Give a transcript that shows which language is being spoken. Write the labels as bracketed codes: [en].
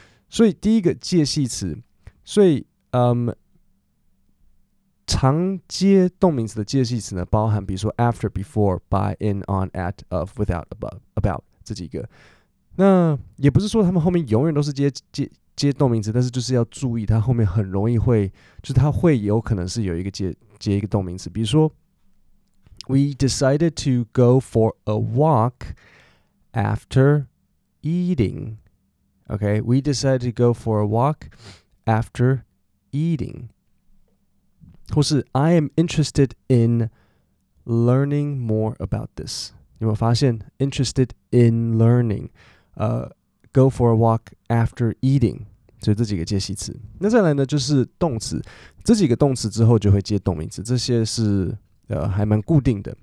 [zh] 所以第一个介系词，所以常接动名词的介系词呢，包含比如说 after、before、 by、 in、 on、 at、 of、 without、 above、 about 这几个。那也不是说他们后面永远都是接动名词，但是就是要注意它后面很容易会，就是它会有可能是有一个接一个动名词。比如说 [en] We decided to go for a walk after eating. Okay, we decided to go for a walk after eating. [zh] 或是 [en] I am interested in learning more about this. [zh] 有没有发现 [en] interested in learning? Go for a walk after eating. [zh] 所以这几个介系词。那再来呢，就是动词。这几个动词之后就会接动名词。这些是还蛮固定的。